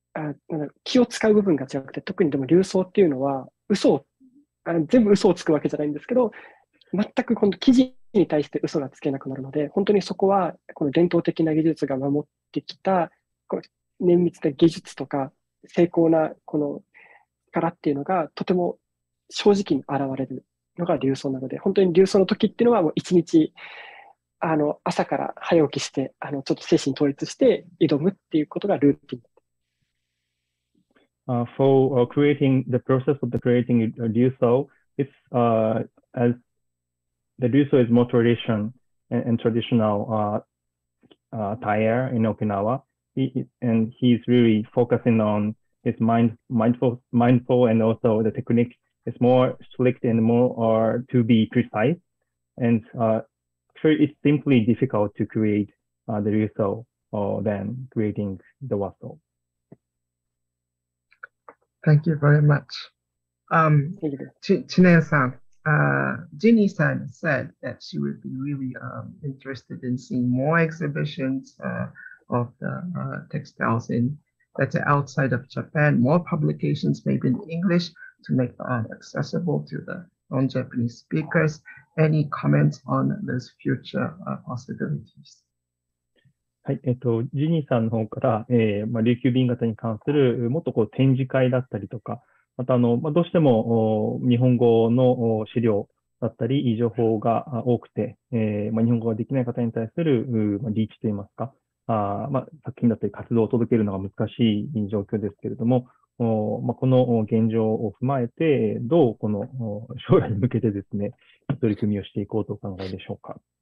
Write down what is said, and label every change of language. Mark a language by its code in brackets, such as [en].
[ja] んか気を使う部分が違くて、特にでも流装っていうのは嘘を、全部嘘をつくわけじゃないんですけど、全くこの生地に対して嘘がつけなくなるので、本当にそこはこの伝統的な技術が守ってきたこう綿密な技術とか精巧なこの柄っていうのがとても正直に現れるのが流装なので、本当に流装の時っていうのはもう一日朝から早起きしてちょっと精神統一して挑むっていうことがルーティン。 [en] For creating the process of the creating a ryūsō, it's as the ryūsō is more tradition and traditional attire in Okinawa, and he's really focusing on his mindful and also the technique is more strict and more to be precise, and it's simply difficult to create the ryūsō than creating the wasō. Thank you very much. Chinen-san, Ginny-san said that she would be really interested in seeing more exhibitions of the textiles in that's outside of Japan, more publications maybe in English to make the art accessible to the non-Japanese speakers. Any comments on those future possibilities? [ja] はい、ジニーさんの方から、琉球紅型に関するもっとこう展示会だったりとか、またどうしても日本語の資料だったり情報が多くて、日本語ができない方に対するリーチといいますか、作品だったり活動を届けるのが難しい状況ですけれども、この現状を踏まえてどうこの将来に向けてですね、取り組みをしていこうとお考えでしょうか。